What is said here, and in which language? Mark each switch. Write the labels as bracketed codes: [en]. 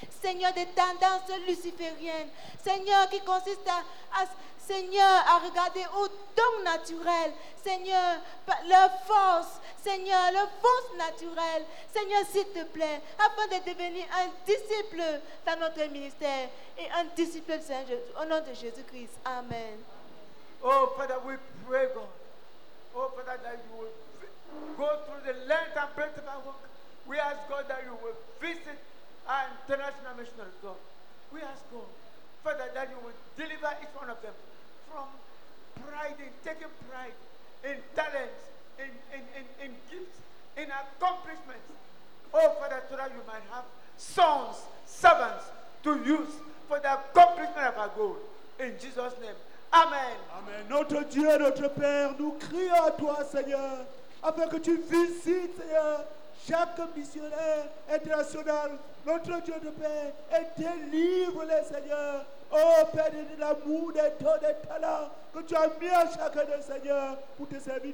[fr] Seigneur, des tendances lucifériennes. Seigneur, qui consiste à regarder aux dons naturels. Seigneur, leur force. Seigneur, leur force naturelle. Seigneur, s'il te plaît, afin de devenir un disciple dans notre ministère et un disciple de Saint-Jésus. Au nom de Jésus-Christ, amen. [en] Oh Father, we pray God. Oh Father, that you will go through the length and breadth of our work. We ask God that you will visit our international missionary God. We ask God, Father, that you will deliver each one of them from pride, in taking pride in talents, in gifts, in accomplishments. Oh Father, so that you might have sons, servants to use for the accomplishment of our goal. In Jesus' name. Amen. Amen. [fr] Notre Dieu, notre Père, nous crions à toi, Seigneur, afin que tu visites, Seigneur, chaque missionnaire international. Notre Dieu de Père, et délivre-les, Seigneur. Oh, Père, de l'amour, des dons, des talents que tu as mis à chacun de Seigneur pour te servir.